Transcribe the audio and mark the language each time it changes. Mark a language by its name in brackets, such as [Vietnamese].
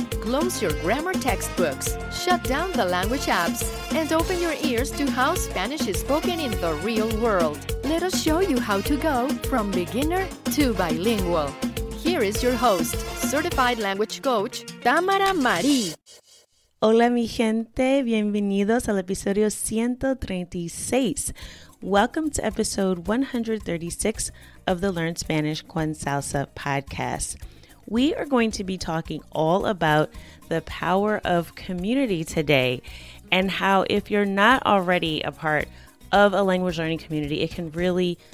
[English] Close your grammar textbooks, shut down the language apps, and open your ears to how Spanish is spoken in the real world. Let us show you how to go from beginner to bilingual. Here is your host, certified language coach, Tamara Marie. [Spanish] Hola mi gente, bienvenidos al episodio 136. [English] Welcome to episode 136 of the Learn Spanish con Salsa podcast. We are going to be talking all about the power of community today and how if you're not already a part of a language learning community, it can really